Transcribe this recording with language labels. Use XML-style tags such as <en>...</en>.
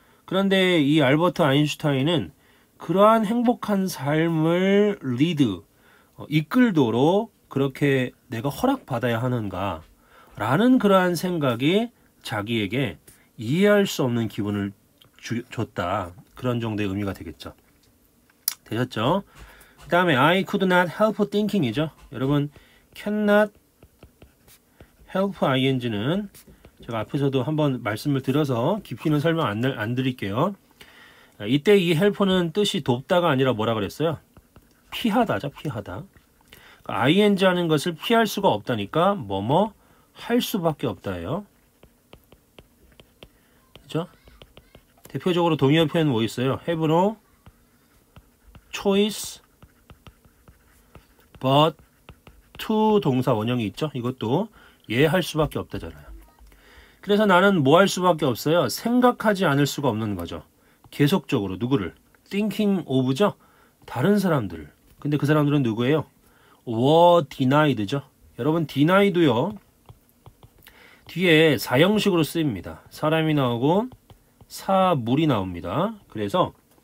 <ko>그런데 이 알버트 아인슈타인은 그러한 행복한 삶을 리드, 이끌도록 그렇게 내가 허락받아야 하는가 라는 그러한 생각이 자기에게 이해할 수 없는 기분을 줬다. 그런 정도의 의미가 되겠죠. 되셨죠?</ko> <en>그 다음에 I could not help thinking이죠.</en> <ko>여러분,</ko> <en>cannot help ing</en> <ko>는 제가 앞에서도 한번 말씀을 드려서 깊이는 설명 안 드릴게요. 이때 이 help는 뜻이 돕다가 아니라 뭐라 그랬어요? 피하다죠, 피하다. ing 하는 것을 피할 수가 없다니까 뭐뭐 할 수밖에 없다예요. 그죠? 대표적으로 동의어 표현 뭐 있어요?</ko> <en>Have no choice but to</en> <ko>동사 원형이 있죠? 이것도 예할 수밖에 없다잖아요. 그래서 나는 뭐할 수밖에 없어요? 생각하지 않을 수가 없는 거죠. 계속적으로 누구를?</ko> <en>Thinking of</en> <ko>죠? 다른 사람들을. 근데 그 사람들은 누구예요?</ko> <en>Were denied</en> <ko>죠? 여러분, denied요. 뒤에 사형식으로 쓰입니다. 사람이 나오고 사물이 나옵니다. 그래서</ko>